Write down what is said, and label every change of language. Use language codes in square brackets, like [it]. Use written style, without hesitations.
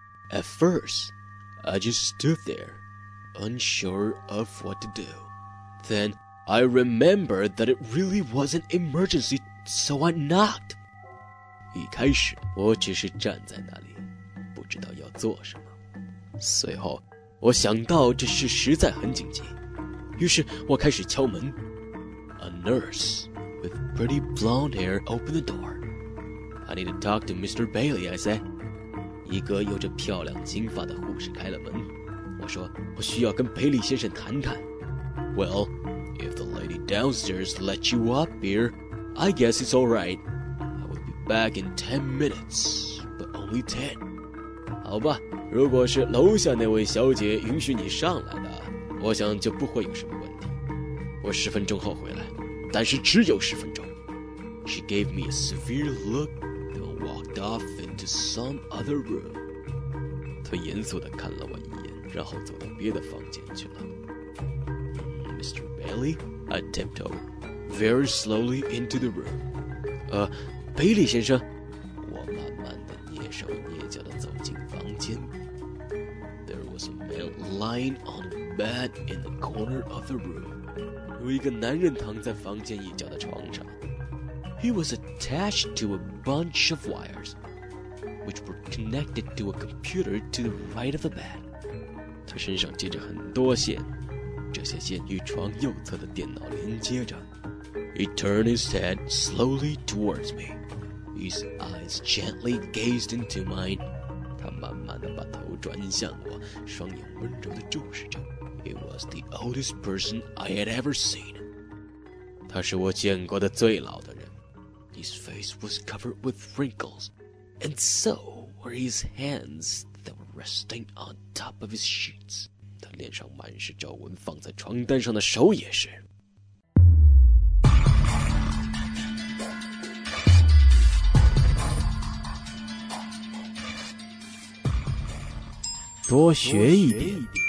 [en] At first, I just stood there, unsure of what to do. Then, I remembered that it really was an emergency, so I knocked. [zh] 一开始我只是站在那里，不知道要做什么。随后我想到这事实在很紧急，于是我开始敲门。 [en] A nurse with pretty blonde hair opened the door. I need to talk to Mr. Bailey, I said. [zh] 一个有着漂亮金发的护士开了门，我说我需要跟贝利先生谈谈。 [en] Well, if the lady downstairs let you up here, I guess it's all right. I will be back in 10 minutes, but only 10. [zh] 好吧，如果是楼下那位小姐允许你上来的，我想就不会有什么问题。我十分钟后回来，但是只有十分钟。 [en] She gave me a severe look. Off into some other room. [zh] 他严肃地看了我一眼，然后走到别的房间去了。 [en] Mr. Bailey, I tiptoed very slowly into the room. [zh] 贝利先生，我慢慢地蹑手蹑脚地走进房间。 [en] There was a man lying on a bed in the corner of the room. [zh] 有一个男人躺在房间一角的床上。 [en] He was attached to a bunch of wires, which were connected to a computer to the right of the bed. [zh] 他身上接着很多线，这些线与床右侧的电脑连接着。 [en] He turned his head slowly towards me. His eyes gently gazed into mine. [zh] 他慢慢地把头转向我，双眼温柔地注视着。 [en] He was the oldest person I had ever seen. [zh] 他是我见过的最老的人。 [en] His face was covered with wrinkles, and so were his hands that were resting on top of his sheets. [zh] 他脸上满是皱纹，放在床单上的手也是。多学一点。